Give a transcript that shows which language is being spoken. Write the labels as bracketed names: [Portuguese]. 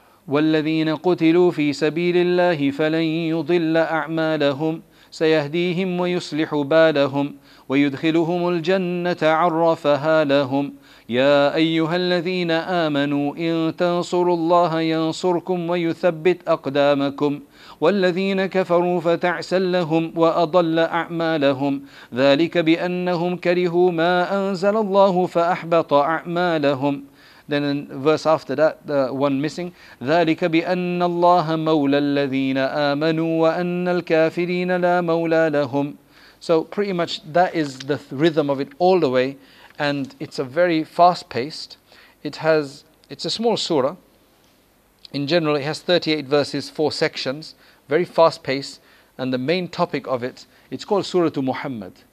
[Arabic] وَالَّذِينَ قُتِلُوا فِي سَبِيلِ اللَّهِ فَلَنْ يُضِلَّ أَعْمَالَهُمْ سَيَهْدِيهِمْ وَيُصْلِحُ بَالَهُمْ وَيُدْخِلُهُمُ الْجَنَّةَ عَرَّفَهَا لَهُمْ يَا أَيُّهَا الَّذِينَ آمَنُوا إِنْ تَنْصُرُوا اللَّهَ يَنْصُرْكُمْ وَيُثَبِّتْ أَقْدَامَكُمْ والذين كفروا فتعسًا لهم وأضل أعمالهم ذلك بأنهم كرهوا ما أنزل الله فأحبط أعمالهم. [English] Then in verse after that, the one missing. [Arabic] ذلك بأن الله مولى الذين آمنوا وأن الكافرين لا مولى لهم. [English] So pretty much that is the rhythm of it all the way, and it's a very fast-paced. It's a small surah. In general, it has 38 verses, 4 sections, very fast-paced, and the main topic of it, it's called Surah to Muhammad.